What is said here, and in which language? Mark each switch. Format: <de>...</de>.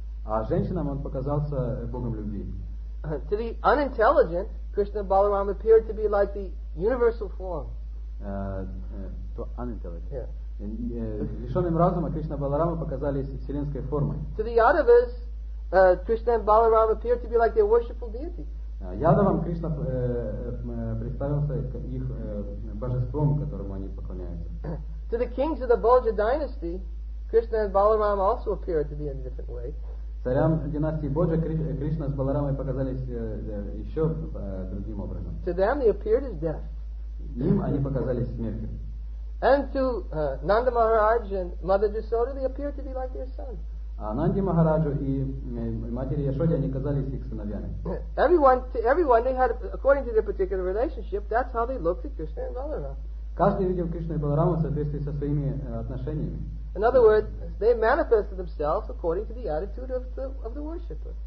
<ru>А женщинам он показался богом любви.</ru> <en>To the unintelligent, Krishna and Balaram appeared to be like the universal form. to unintelligent. Yeah.</en> <ru>Лишенным разума Кришна и Баларама показались вселенской формой.</ru> <en>To the Yadavas, Krishna and Balarama appeared to be like their worshipful deity.</en> <ru>Ядавам Кришна представился их божеством, которому они поклоняются.</ru> <en>To the kings of the Bulja dynasty, Krishna and Balarama also appeared to be in a different way.</en> <ru>Царям династии Боджа Кришна с Баларамой показались еще другим образом.</ru> <en>To them they appeared as death.</en> <ru>Им они показались смертью.</ru> <en>And to Nanda Maharaj and Mother Yashoda, they appeared to be like their sons.</en> <ru>Ананди Махараджу и матери Яшоди они казались их сыновьями.</ru> <en>Everyone, they had, according to their particular relationship, that's how they looked at Krishna and Balarama.</en> <ru>Каждый видел Кришну и Баларама в соответствии со своими отношениями.</ru> <en>In other words, they manifested themselves according to the attitude of the worshipper.</en>